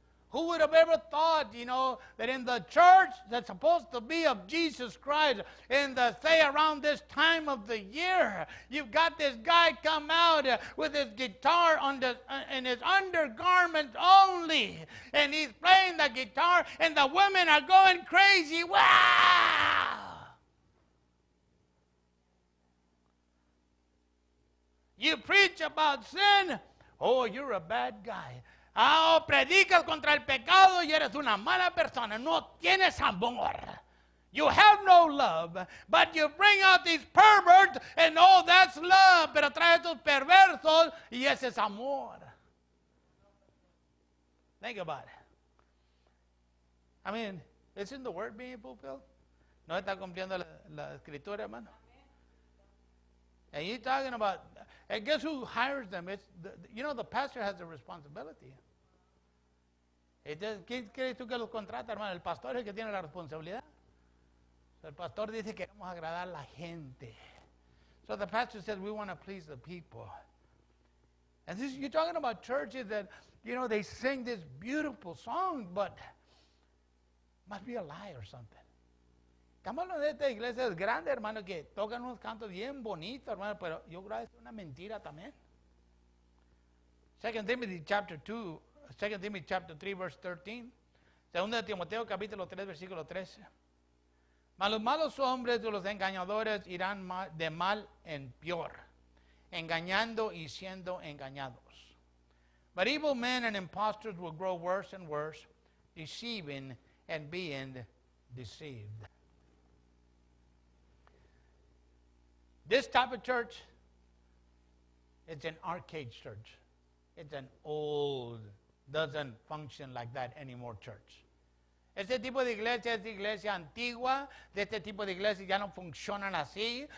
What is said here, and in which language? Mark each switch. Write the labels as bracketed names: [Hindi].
[English] Who would have ever thought, you know, that in the church that's supposed to be of Jesus Christ, in the, say, around this time of the year, you've got this guy come out with his guitar in his undergarment only, and he's playing the guitar, and the women are going crazy. Wow! You preach about sin, oh, you're a bad guy. [Spanish] Ah, oh, predicas contra el pecado y eres una mala persona. No tienes amor. [English] You have no love, but you bring out these perverts and oh, that's love. [Spanish] Pero traes tus perversos y ese es amor. [English] Think about it. I mean, isn't the word being fulfilled? [Spanish] ¿No está cumpliendo la escritura, hermano? [English] And he's talking about, and guess who hires them? It's the, you know, the pastor has a responsibility. [Spanish] ¿Quién crees tú que los contrata, hermano? El pastor es el que tiene la responsabilidad. El pastor dice, queremos agradar a la gente. [English] So the pastor says, we want to please the people. And this, you're talking about churches that, you know, they sing this beautiful song, but must be a lie or something. [Spanish] Estamos hablando de esta iglesia, es grande, hermano, que tocan unos cantos bien bonitos, hermano, pero yo creo que es una mentira también. [English] 2 Timothy chapter 2, 2 Timothy chapter 3, verse 13. [Spanish] 2 Timoteo capítulo 3, versículo 13. Mas los malos hombres de los engañadores irán de mal en peor, engañando y siendo engañados. [English] But evil men and imposters will grow worse and worse, deceiving and being deceived. This type of church, it's an archaic church. It's an old, doesn't function like that anymore church. [Spanish] Este tipo de iglesia es iglesia antigua. De este tipo de iglesia ya no funcionan así.